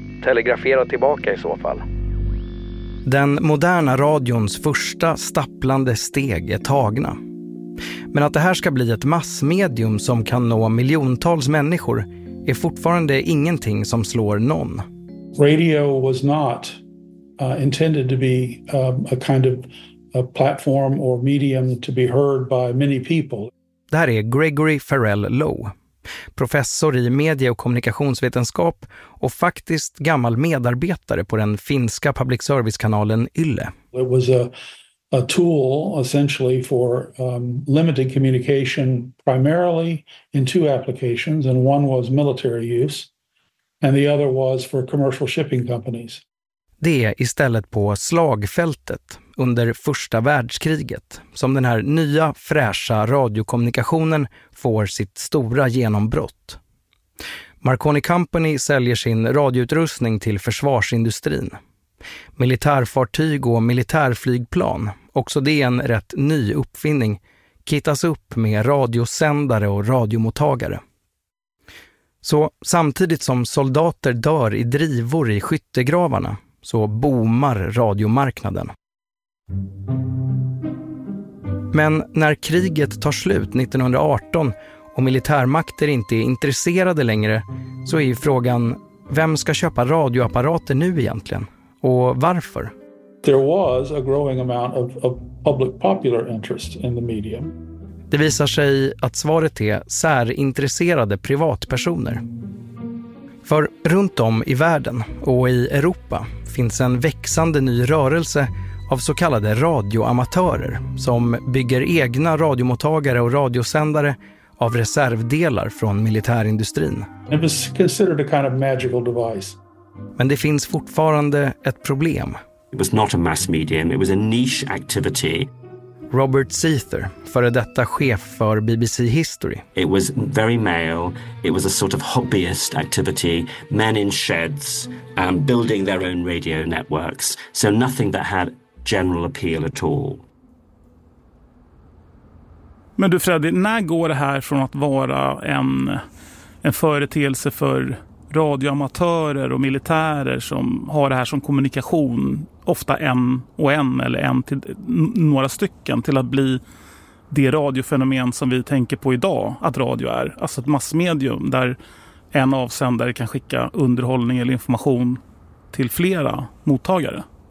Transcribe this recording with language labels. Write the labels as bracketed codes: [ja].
[sv] Telegrafera tillbaka i så fall. Den moderna radions första stapplande steg är tagna. Men att det här ska bli ett massmedium som kan nå miljontals människor är fortfarande ingenting som slår någon. [en] Radio was not intended to be a kind of a platform or medium to be heard by many people. [sv] Det här är Gregory Farrell Lowe, professor i medie- och kommunikationsvetenskap och faktiskt gammal medarbetare på den finska public service-kanalen Yle. [en] It was a tool essentially for limited communication primarily in two applications, and one was military use and the other was for commercial shipping companies. [sv] Det är istället på slagfältet under första världskriget som den här nya fräscha radiokommunikationen får sitt stora genombrott. Marconi Company säljer sin radioutrustning till försvarsindustrin. Militärfartyg och militärflygplan, också det är en rätt ny uppfinning, kittas upp med radiosändare och radiomottagare. Så samtidigt som soldater dör i drivor i skyttegravarna så boomar radiomarknaden. Men när kriget tar slut 1918 och militärmakter inte är intresserade längre så är ju frågan, vem ska köpa radioapparater nu egentligen? Och varför? [en] There was a growing amount of public popular interest in the medium. [sv] Det visar sig att svaret är särintresserade privatpersoner. För runt om i världen och i Europa finns en växande ny rörelse av så kallade radioamatörer som bygger egna radiomottagare och radiosändare av reservdelar från militärindustrin. [en] It was considered a kind of magical device. [sv] Men det finns fortfarande ett problem. [en] It was not a mass medium, it was a niche activity. [sv] Robert Seether, före detta chef för BBC History. [en] It was very male, it was a sort of hobbyist activity, men in sheds and building their own radio networks, so nothing that had general appeal at all. [sv] Men du Freddy, när går det här från att vara en företeelse för radioamatörer och militärer som har det här som kommunikation, ofta en och en eller en till några stycken, till att bli det radiofenomen som vi tänker på idag att radio är, alltså ett massmedium där en avsändare kan skicka underhållning eller information till flera mottagare?